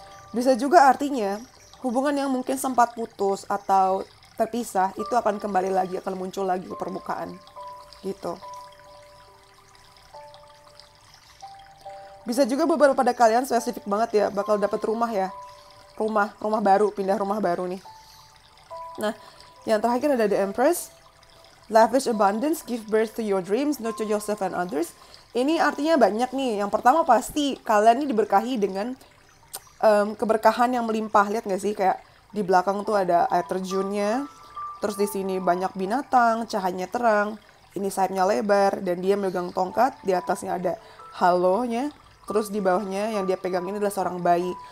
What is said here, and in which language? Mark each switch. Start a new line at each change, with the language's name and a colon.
Indonesian: Bisa juga artinya, hubungan yang mungkin sempat putus atau terpisah itu akan kembali lagi, akan muncul lagi ke permukaan gitu. Bisa juga beberapa pada kalian spesifik banget ya, bakal dapat rumah ya, rumah baru, pindah rumah baru nih. Nah, yang terakhir ada The Empress.
English: Lavish abundance, give birth to your dreams, nurture yourself and others.
Indonesian: Ini artinya banyak nih. Yang pertama pasti kalian ini diberkahi dengan keberkahan yang melimpah. Lihat nggak sih kayak di belakang tuh ada air terjunnya, terus di sini banyak binatang, cahayanya terang, ini sayapnya lebar, dan dia megang tongkat, di atasnya ada halonya, terus di bawahnya yang dia pegang ini adalah seorang bayi.